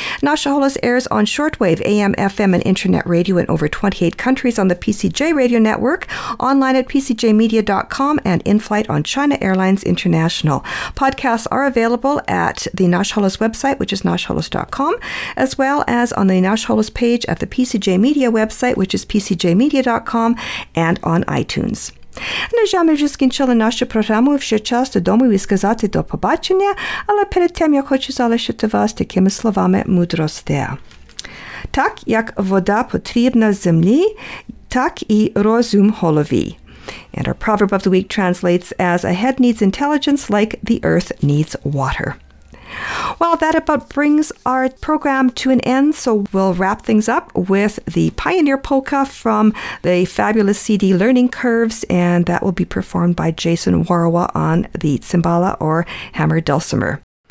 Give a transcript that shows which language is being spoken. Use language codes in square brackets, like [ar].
[en] Nash Holos airs on shortwave, AM, FM, and internet radio in over 28 countries on the PCJ Radio Network, online at pcjmedia.com, and in flight on China Airlines International. Podcasts are available at the Nash Holos website, which is nashholos.com, as well as on the Nash Holos page at the PCJ Media website, which is pcjmedia.com, and on iTunes. [uk] На жаль, ми вже скінчили нашу програму, вже час додому і сказати до побачення, але перед тим я хочу залишити вас такими словами мудрості. Так, як вода потрібна землі, так і розум голові. [en] And our proverb of the week translates as a head needs intelligence like the earth needs water. Well, that about brings our program to an end, so we'll wrap things up with the Pioneer Polka from the fabulous CD Learning Curves, and that will be performed by Jason Warawa on the cymbala or hammer dulcimer.